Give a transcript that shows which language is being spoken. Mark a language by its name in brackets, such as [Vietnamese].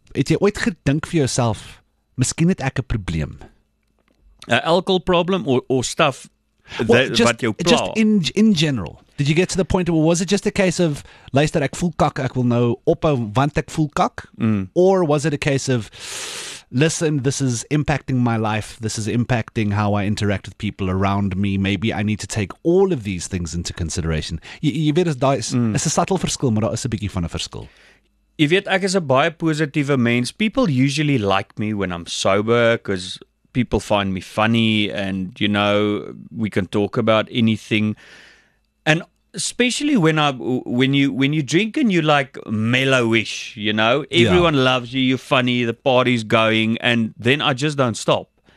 [Afrikaans] Het jy ooit gedink vir jouself, miskien het ek 'n probleem? [English] An alcohol problem or stuff? In general, did you get to the point where, was it just a case of, [Afrikaans] luister, ek voel kak, [English] ek wil nou ophou, want ek voel kak? Or was it a case of, listen, this is impacting my life, this is impacting how I interact with people around me, maybe I need to take all of these things into consideration? [Afrikaans] Jy weet, [English] it's a subtle [Afrikaans] verskil, maar daar is 'n bietjie van 'n verskil. Jy weet, ek is 'n baie positiewe mens. [English] People usually like me when I'm sober, because people find me funny, and you know, we can talk about anything. And especially when you drink and you like mellowish, you know, everyone loves you, you're funny, the party's going, and then I just don't stop.